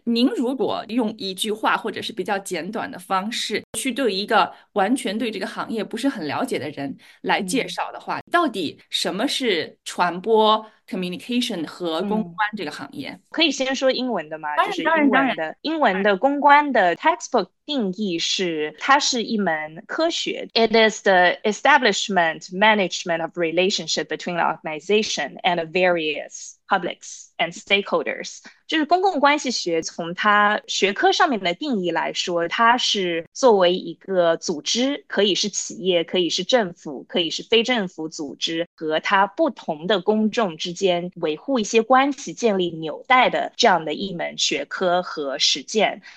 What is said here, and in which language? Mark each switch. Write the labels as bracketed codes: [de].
[zh] 您如果用一句话或者是比较简短的方式去对一个完全对这个行业不是很了解的人来介绍的话，到底什么是传播 communication 和公关这个行业？可以先说英文的吗？当然，就是英文的，英文的公关的 textbook 定义是，它是一门科学。 [en] It is the establishment management of relationship between the organization and the various publics and stakeholders。 [zh] 就是公共关系学从它学科上面的定义来说，它是作为一个组织，可以是企业，可以是政府，可以是非政府组织，和它不同的公众之间维护一些关系，建立纽带的这样的一门学科和实践。